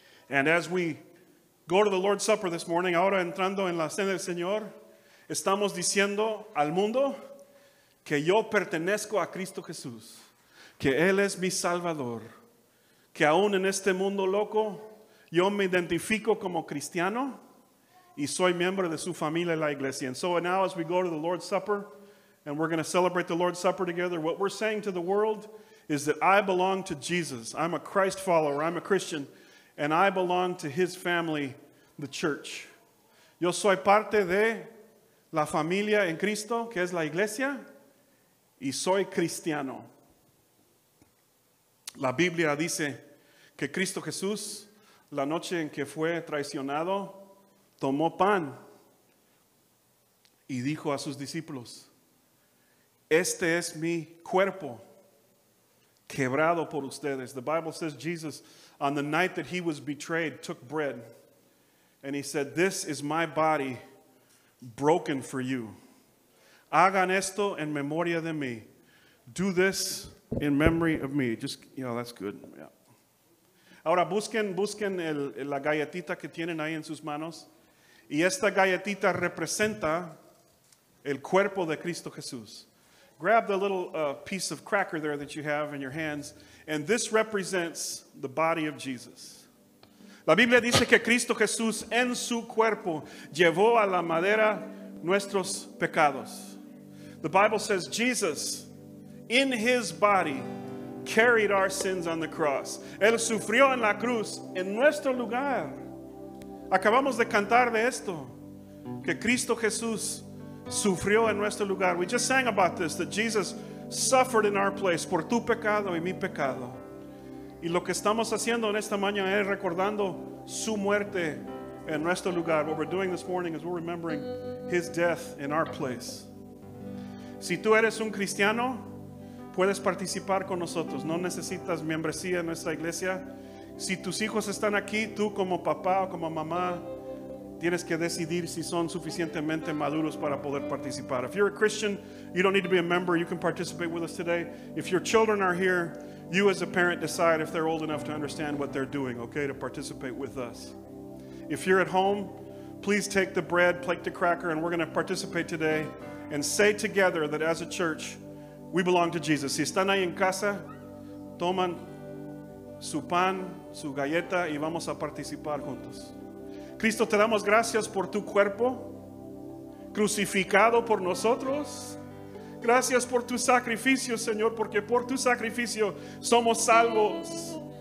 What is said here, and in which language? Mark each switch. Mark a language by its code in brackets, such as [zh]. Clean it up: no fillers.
[en] And as we go to the Lord's Supper this morning, [es] ahora entrando en la cena del Señor, estamos diciendo al mundo que yo pertenezco a Cristo Jesús, que Él es mi Salvador, que aún en este mundo loco, yo me identifico como cristiano y soy miembro de su familia, la iglesia. [en] And so now as we go to the Lord's Supper, and we're going to celebrate the Lord's Supper together, what we're saying to the world is that I belong to Jesus. I'm a Christ follower, I'm a Christian, and I belong to his family, the church. [es] Yo soy parte de la familia en Cristo, que es la iglesia, y soy cristiano. La Biblia dice que Cristo Jesús, la noche en que fue traicionado, tomó pan y dijo a sus discípulos, este es mi cuerpo quebrado por ustedes. [en] The Bible says Jesus, on the night that he was betrayed, took bread. And he said, this is my body broken for you. [es] Hagan esto en memoria de mí. [en] Do this in memory of me. Just, you know, that's good. Yeah. [es] Ahora busquen la galletita que tienen ahí en sus manos. Y esta galletita representa el cuerpo de Cristo Jesús. [en] Grab the little piece of cracker there that you have in your hands. And this represents the body of Jesus. [es] La Biblia dice que Cristo Jesús en su cuerpo llevó a la madera nuestros pecados. [en] The Bible says Jesus in his body carried our sins on the cross. [es] Él sufrió en la cruz en nuestro lugar. Acabamos de cantar de esto, que Cristo Jesús sufrió en nuestro lugar. [en] We just sang about this, that Jesus suffered in our place [es] por tu pecado y mi pecado. Y lo que estamos haciendo en esta mañana es recordando su muerte en nuestro lugar. [en] What we're doing this morning is we're remembering his death in our place. [es] Si tú eres un cristiano, puedes participar con nosotros. No necesitas membresía en nuestra iglesia. Si tus hijos están aquí, tú como papá o como mamá, tienes que decidir si son suficientemente maduros para poder participar. [en] If you're a Christian, you don't need to be a member. You can participate with us today. If your children are here, you as a parent decide if they're old enough to understand what they're doing, okay, to participate with us. If you're at home, please take the bread, plate the cracker, and we're going to participate today and say together that as a church, we belong to Jesus. [es] Si están ahí en casa, toman su pan, su galleta, y vamos a participar juntos. Cristo, te damos gracias por tu cuerpo crucificado por nosotros. Gracias por tu sacrificio, Señor, porque por tu sacrificio somos salvos.